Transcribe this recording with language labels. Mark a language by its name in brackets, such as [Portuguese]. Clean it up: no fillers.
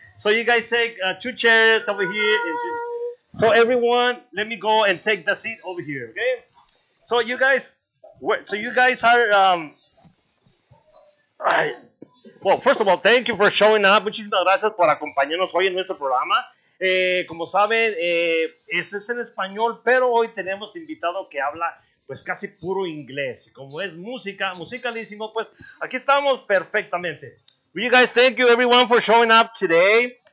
[English] So you guys take two chairs over here. And just, so everyone, let me go and take the seat over here, okay? So you guys, where, so you guys are, well, first of all, thank you for showing up. [Spanish] Muchísimas gracias por acompañarnos hoy en nuestro programa. Como saben, este es en español, pero hoy tenemos invitado que habla pues casi puro inglés. Como es música, musicalísimo, pues aquí estamos perfectamente. [English] Well, you guys, thank you everyone for showing up today.